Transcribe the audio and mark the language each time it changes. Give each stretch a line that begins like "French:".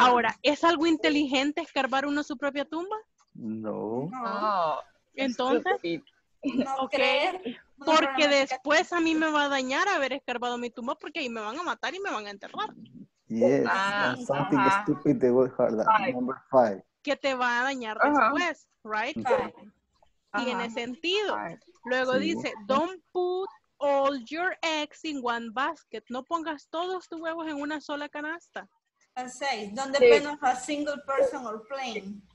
Spanish: Ahora, ¿es algo inteligente escarbar uno su propia tumba? No. ¿Entonces? No crees. Porque después a mí me va a dañar haber escarbado mi tumba porque ahí me van a matar y me van a enterrar.
English: Yes, something stupid they would hurt that. Number 5.
Spanish: Que te va a dañar después, right?
English: Five.
Spanish: Tiene sentido. Luego dice,
English: don't put all your eggs in one basket.
Spanish: No pongas todos tus huevos en una sola canasta.
English: And say, don't depend on a single person or plane.